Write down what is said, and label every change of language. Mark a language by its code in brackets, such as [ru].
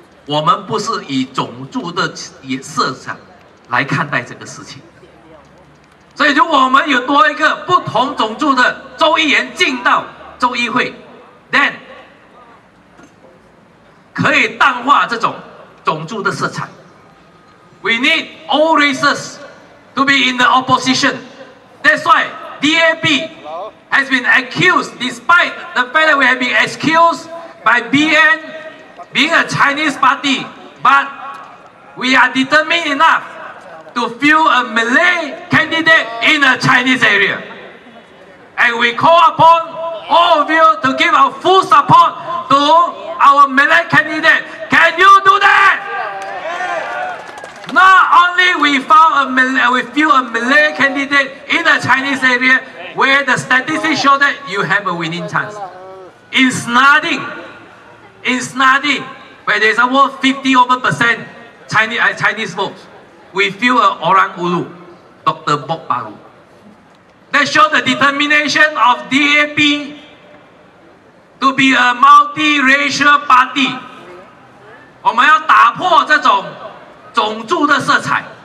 [zh] 我们不是以种族的色彩来看待这个事情。所以如果我们有多一个不同种族的州议员进到州议会， then 可以淡化这种种族的色彩。 [en] We need all races to be in the oppositionThat's why DAP has been accused, despite the fact that we have been accused by BN being a Chinese party, but we are determined enough to field a Malay candidate in a Chinese area. And we call upon all of you to give our full support to our Malay candidate. Can you do that? Not only we field a Malay candidate in the Chinese area where the statistics show that you have a winning chance. In Snading, where there's about 50% Chinese votes, we field an Orang Ulu, Dr. Bok Baru. That shows the determination of DAP to be a multi-racial party. [zh] 我们要打破这种种族的色彩。